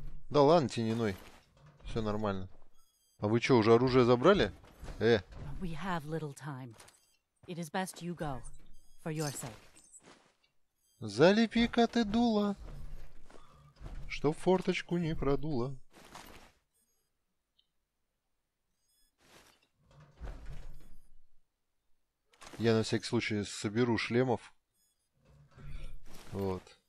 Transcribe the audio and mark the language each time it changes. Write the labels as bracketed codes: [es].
[ru] Да ладно, тяниной. Все нормально. А вы что, уже оружие забрали? [en] We have little time. It is best you go, for your sake. [ru] Залепи-ка ты дуло, чтоб форточку не продуло. Я на всякий случай соберу шлемов. Вот.